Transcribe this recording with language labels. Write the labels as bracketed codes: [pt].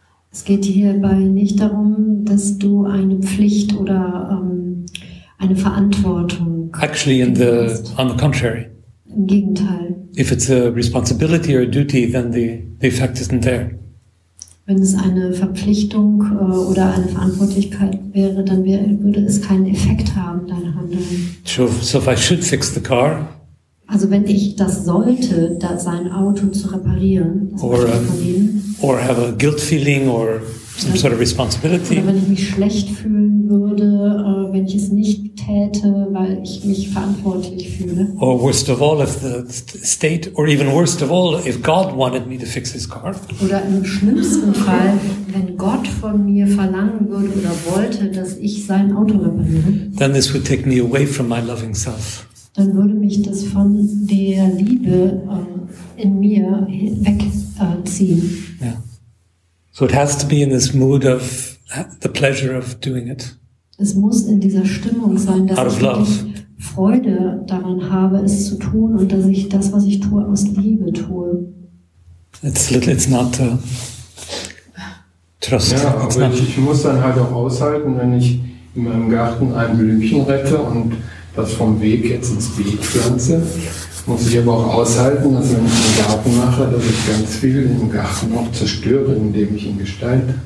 [de] Es geht hierbei nicht darum, dass du eine Pflicht oder eine Verantwortung. [en] Actually, on the contrary. [de] Im Gegenteil. [en] If it's a responsibility or a duty, then the effect isn't there. [de] Wenn es eine Verpflichtung oder eine Verantwortlichkeit wäre, dann würde es keinen Effekt haben, dein Handeln. [en] So if I should fix the car. [de] Also wenn ich das sollte, da sein Auto zu reparieren, [en] or have a guilt feeling or some sort of responsibility. [de] Oder wenn ich mich schlecht fühlen würde, wenn ich es nicht täte, weil ich mich verantwortlich fühle. [en] Or worst of all, if the state, or even worst of all, if God wanted me to fix his car. [de] Oder im schlimmsten Fall, wenn Gott von mir verlangen würde oder wollte, dass ich sein Auto repariere. [en] Then this would take me away from my loving self. [de] Dann würde mich das von der Liebe in mir weg ziehen. [en] Yeah. So it has to be in this mood of the pleasure of doing it. [de] Es muss in dieser Stimmung sein, dass ich wirklich Freude daran habe, es zu tun und dass ich das, was ich tue, aus Liebe tue. [en] It's not trust. [de] Ja, aber ich muss dann halt auch aushalten, wenn ich in meinem Garten ein Blümchen rette und das vom Weg jetzt ins Beet pflanze, muss ich aber auch aushalten, dass wenn ich einen Garten mache, dass ich ganz viel im Garten auch zerstöre, indem ich ihn gestalte.